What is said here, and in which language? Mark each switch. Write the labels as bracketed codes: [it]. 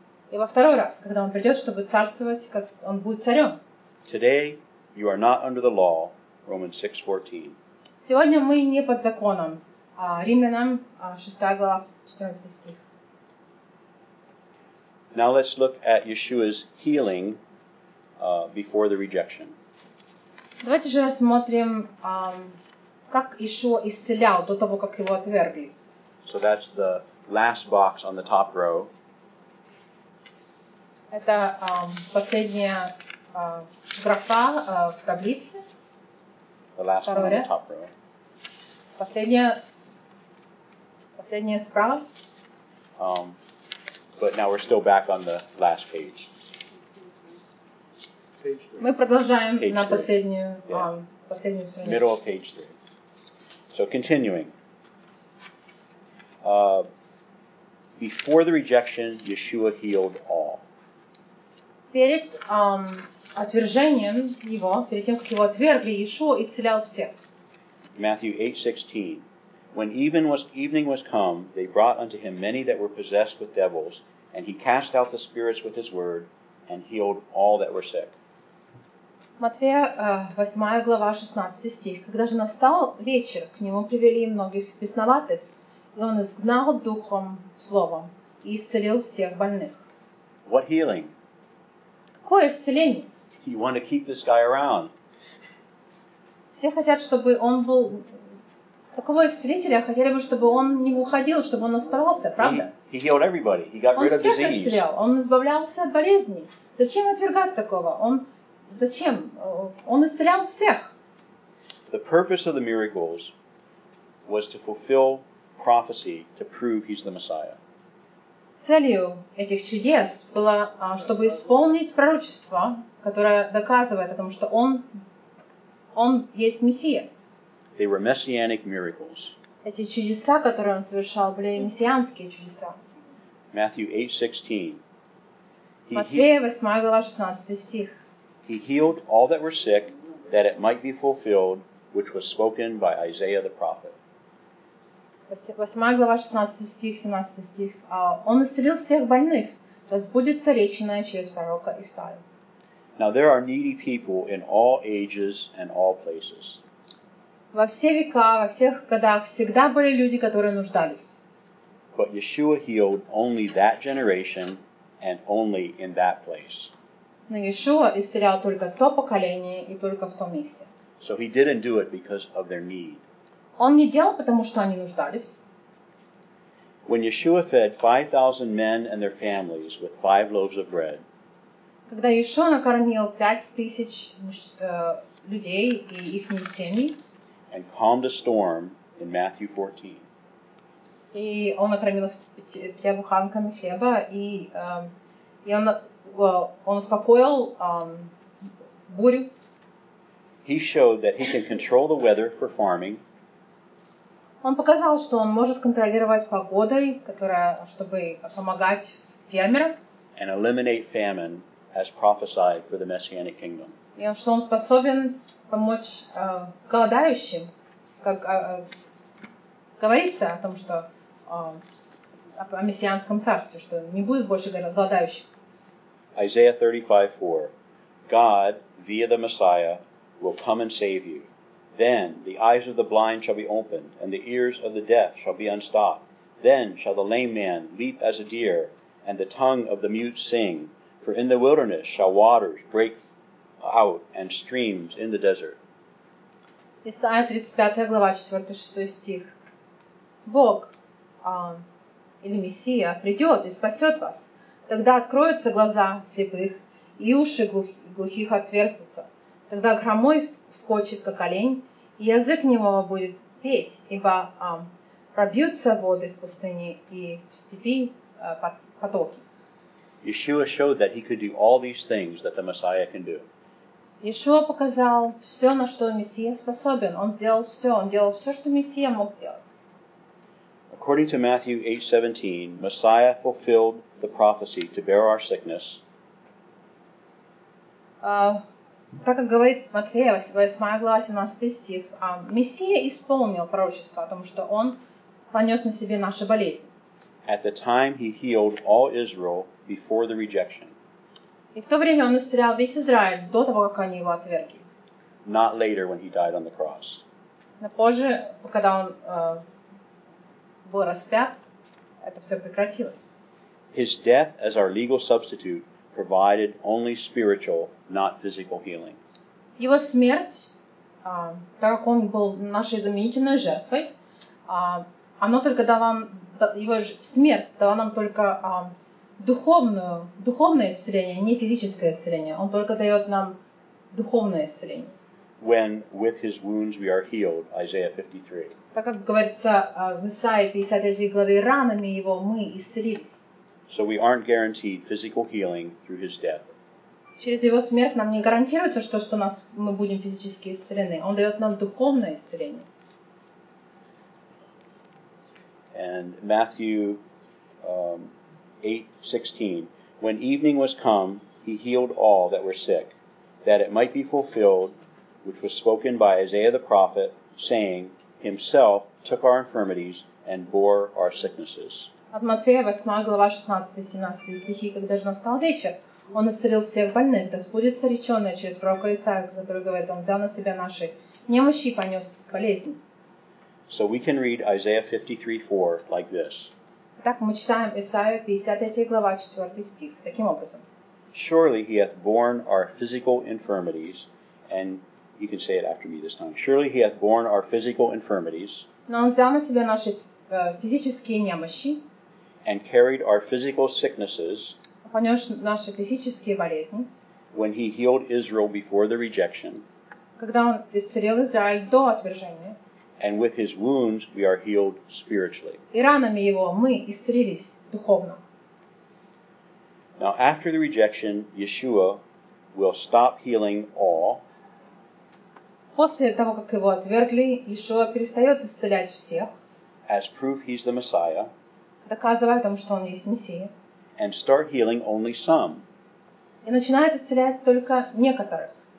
[ru] И во второй раз, когда он придет, чтобы царствовать, как он будет царем. [en] Today you are not under the law, Romans 6:14. [ru] Сегодня мы не под законом, а Римлянам 6 глава 14 стих. [en] Now let's look at Yeshua's healing before the rejection. [ru] Давайте же рассмотрим, как Иешуа исцелял до того, как его отвергли. [en] So that's the last box on the top row. [ru] Это последняя графа в таблице. [en] The last one on the top row. [ru] Последняя справа. [en] But now we're still back on the last page. [ru] Мы продолжаем page на последнюю, последнюю страницу. [en] Middle of page 3. So continuing. Before the rejection, Yeshua healed all. [ru] Перед отвержением его, перед тем, как его отвергли, Иешуа исцелял всех. [en] Matthew 8:16. When evening was come, they brought unto him many that were possessed with devils, and he cast out the spirits with his word, and healed all that were sick. [ru] Матфея, 8 глава, 16 стих. Когда же настал вечер, к нему привели многих бесноватых, и он изгнал духом словом и исцелил всех больных. [en] What healing? [ru] Какое исцеление? [en] You want to keep this guy around. [ru] Все хотят, чтобы он был... Такого исцелителя хотели бы, чтобы он не уходил, чтобы он оставался, правда? [en] He healed everybody. He got rid of disease. [ru] Он всех исцелял. Он избавлялся от болезней. Зачем отвергать такого? Зачем? Он исцелял всех. [en] The purpose of the miracles was to fulfill prophecy to prove he's the Messiah. [ru] Целью этих чудес было, чтобы исполнить пророчество, которое доказывает о том, что он есть Мессия. [en] They were messianic miracles. [ru] Эти чудеса, которые он совершал, были мессианские чудеса. [en] Matthew 8:16. [ru] Матфея 8 глава 16 стих. [en] He healed all that were sick, that it might be fulfilled, which was spoken by Isaiah the prophet. [ru] 8 глава 16 стих, 17 стих. Он исцелил всех больных, да сбудется реченное через пророка Исаию. [en] Now there are needy people in all ages and all places. [ru] Во все века, во всех годах всегда были люди, которые нуждались. [en] But Yeshua healed only that generation and only in that place. [ru] Но Иешуа исцелял только то поколение и только в том месте. [en] So he didn't do it because of their need. [ru] Он не делал, потому что они нуждались. [en] When Yeshua fed 5,000 men and their families with 5 loaves of bread. [ru] Когда Иешуа накормил 5,000 людей и их семьи. [en] And calmed a storm in Matthew 14. [ru] И он накормил их 5 буханками хлеба и он успокоил бурю. [en] He showed that he can control the weather for farming. [ru] Он показал, что он может контролировать погодой, чтобы помогать фермерам. [en] And eliminate famine as prophesied for the Messianic kingdom. [ru] И что он способен помочь голодающим, как говорится о том, что о мессианском царстве, что не будет больше голодающих. [en] Isaiah 35:4. God, via the Messiah, will come and save you. Then the eyes of the blind shall be opened, and the ears of the deaf shall be unstopped. Then shall the lame man leap as a deer, and the tongue of the mute sing. For in the wilderness shall waters break out, and streams in the desert. [ru] Исайя 35, глава 4-6 стих. Бог, или Мессия, придет и спасет вас. Тогда откроются глаза слепых, и уши глухих отверстятся. Тогда хромой вскочит, как олень, и язык немого будет петь, ибо пробьются воды в пустыне и в степи потоки. [en] Yeshua showed that he could do all these things that the Messiah can do. [ru] Yeshua показал все, на что Мессия способен. Он сделал все. Он делал все, что Мессия мог сделать. [en] According to Matthew 8:17, Messiah fulfilled the prophecy to bear our sickness. [ru] Так как говорит Матфея, 8 глава, 17 стих, Мессия исполнил пророчество о том, что Он понес на Себе наши болезни. [en] At the time He healed all Israel before the rejection. [ru] И в то время Он исцелял весь Израиль до того, как они Его отвергли. [en] Not later when He died on the cross. [ru] Но позже, когда Он был распят, это все прекратилось. [en] His death as our legal substitute provided only spiritual, not physical healing. [ru] Его смерть, так как он был нашей заменительной жертвой, оно только дало нам, его смерть дала нам только духовное исцеление, не физическое исцеление. Он только дает нам духовное исцеление. [en] When with his wounds we are healed, Isaiah 53. [ru] Так как говорится в Исаии 53 главе, ранами его мы исцелились. [en] So we aren't guaranteed physical healing through his death. [ru] Через его смерть нам не гарантируется, что нас мы будем физически исцелены. Он дает нам духовное исцеление. [en] And Matthew 8:16, when evening was come, he healed all that were sick, that it might be fulfilled, which was spoken by Isaiah the prophet, saying, himself took our infirmities and bore our sicknesses. [ru] От Матфея 8, глава 16-17 стихи, когда же настал вечер, Он исцелил всех больных, да сбудется реченное через пророка Исаию, который говорит, Он взял на Себя наши немощи и понес болезни. [en] So we can read Isaiah 53:4 like this. [ru] Так мы читаем Исаию 53, глава 4 стих, таким образом. [en] Surely He hath borne our physical infirmities, and you can say it after me this time. Surely He hath borne our physical infirmities. [ru] Но Он взял на Себя наши физические немощи. [en] And carried our physical sicknesses. [ru] Понес наши физические болезни. [en] When he healed Israel before the rejection. [ru] Когда он исцелил Израиль до отвержения. [en] And with his wounds we are healed spiritually. [ru] И ранами его мы исцелились духовно. [en] Now after the rejection, Yeshua will stop healing all. [ru] После того, как его отвергли, Yeshua перестает исцелять всех. [en] As proof he's the Messiah. [ru] Доказывая о том, что Он есть Мессия. [en] And start healing only some. [ru] И начинает исцелять только некоторых.